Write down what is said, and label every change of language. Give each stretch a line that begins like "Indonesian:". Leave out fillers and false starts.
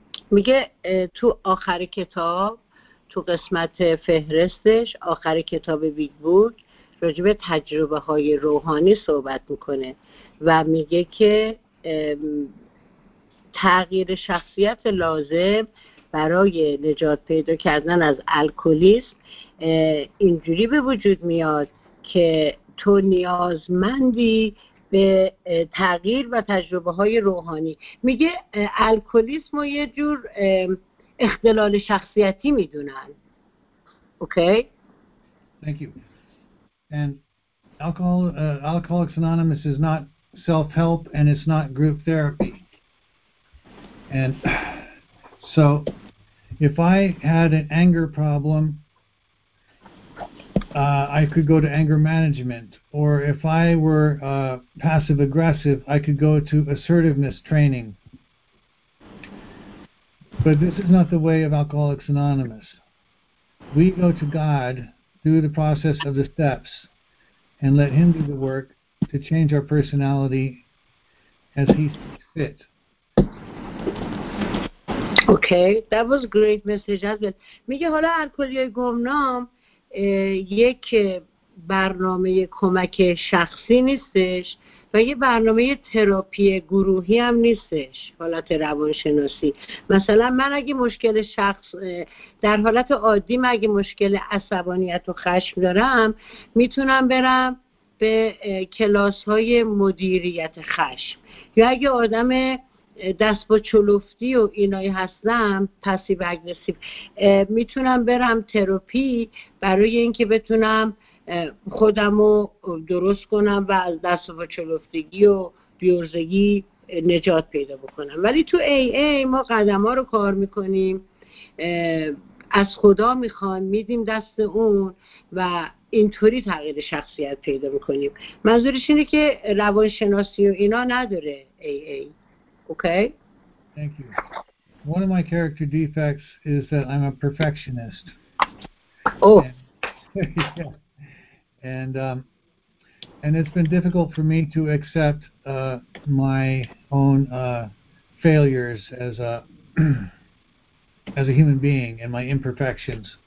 Persian: میگه تو آخر کتاب، تو قسمت فهرستش آخر کتاب بیگ بوک راجب تجربه های روحانی صحبت میکنه و میگه که تغییر شخصیت لازم برای نجات پیدا کردن از الکلیسم اینجوری به وجود میاد که تو نیازمندی به تغییر و تجربه های روحانی. میگه الکلیسم رو یه جور اختلال شخصیتی میدونن. اوکی؟
English: Thank you. And Alcoholics Anonymous is not self-help and it's not group therapy. And so if I had an anger problem, I could go to anger management, or if I were passive aggressive, I could go to assertiveness training. But this is not the way of Alcoholics Anonymous. We go to God through the process of the steps and let Him do the work to change our personality as He sees fit. Okay, that was a great message.
Persian: میگه حالا الکلی گمنام یک برنامه کمک شخصی نیستش و یه برنامه تراپی گروهی هم نیستش. حالت روانشناسی، مثلا من اگه مشکل شخص در حالت عادی، من اگه مشکل عصبانیت و خشم دارم، میتونم برم به کلاس های مدیریت خشم، یا اگه آدم دست با چلوفتی و اینایی هستم، پسیو اگرسیو، میتونم برم تراپی برای اینکه بتونم خودمو درست کنم و از دست با چلوفتگی و بیورزگی نجات پیدا بکنم. ولی تو AA ما قدم ها رو کار میکنیم، از خدا میخوام، میدیم دست اون و اینطوری تغییر شخصیت پیدا میکنیم. منظورش اینه که روانشناسی و اینا نداره AA.
English: Okay. Thank you. One of my character defects is that I'm a perfectionist. Oh. And it's been difficult for me to accept my own failures as a as a human being and my imperfections.